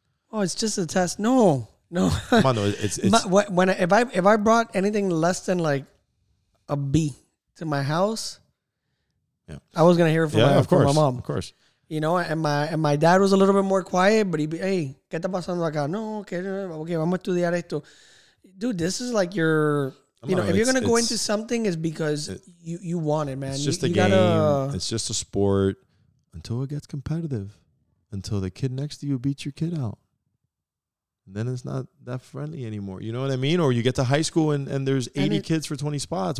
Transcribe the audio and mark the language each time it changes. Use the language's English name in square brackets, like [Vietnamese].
[English] Oh, it's just a test. No, no. Come on, though. If I brought anything less than, like, a B to my house, I was going to hear it from my mom. Of course. You know, and my dad was a little bit more quiet, but he'd be, hey, [Spanish] ¿qué está pasando acá? [English] No, okay, [Spanish] vamos a estudiar esto. [English] Dude, this is like your, if you're going to go into something, it's because you want it, man. It's just a game. It's just a sport until it gets competitive, until the kid next to you beats your kid out. And then it's not that friendly anymore. You know what I mean? Or you get to high school and there's 80 kids for 20 spots.